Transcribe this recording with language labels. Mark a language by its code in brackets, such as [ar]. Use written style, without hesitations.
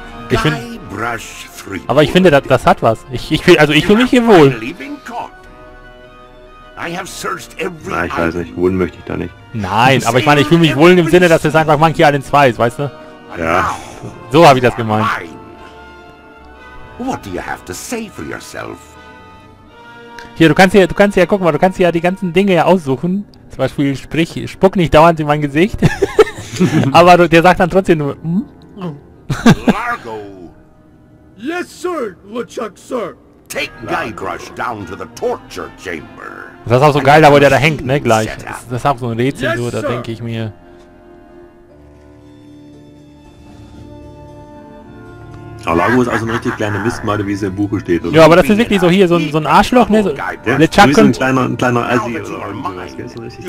[de] Ich finde... Aber ich finde, das hat was. Ich fühle mich hier wohl. Na, ich weiß nicht. Wohnen möchte ich da nicht. Nein, aber ich meine, ich fühle mich wohl im Sinne, dass es einfach Monkey Island 2 ist, weißt du? Ja. So habe ich das gemeint. [en] What do you have to say for yourself? [de] Hier, du kannst hier, guck mal, du kannst hier ja die ganzen Dinge ja aussuchen. Zum Beispiel, spuck nicht dauernd in mein Gesicht. Aber der sagt dann trotzdem nur, [en] Largo! Yes, sir, LeChuck, sir! Take Guybrush down to the torture chamber. [de] Das ist auch so geil, da wo der da hängt, ne, gleich. Das ist auch so ein Rätsel, yes, so, da denke ich mir. Ach Alago ist also eine richtig kleine Mistmeute, wie es im Buche steht. Oder? Ja, aber das ist wirklich so hier, so ein Arschloch, ne? So, ja, LeChuck und... ein kleiner Assi oder so.